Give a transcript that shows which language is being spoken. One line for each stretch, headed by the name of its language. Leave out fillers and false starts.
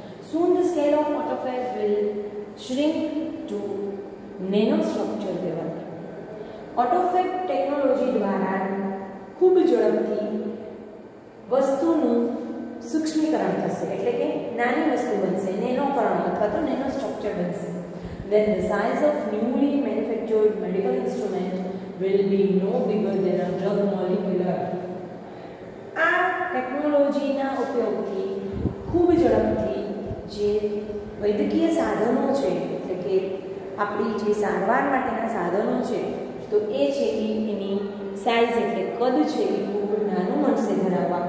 English: Soon the scale of autofab will shrink to nano structure level.
Gujarati: ઓટોફેબ technology દ્વારા ખૂબ ઝડપથી વસ્તુનું સૂક્ષ્મીકરણ થશે એટલે કે નાની વસ્તુ બનશે, નેનોકરણ અથવા તો નેનો સ્ટ્રક્ચર બનશે.
English: Then the size of newly manufactured medical instrument will be no bigger than a drug molecule.
Gujarati: આ ટેકનોલોજીના ઉપયોગથી ખૂબ ઝડપથી જે વૈદ્યકીય સાધનો છે એટલે કે આપણી જે સારવાર માટેના સાધનો છે તો એ છે એની સાઇઝ એટલે કદ છે એ ખૂબ નાનું મળશે ધરાવવા.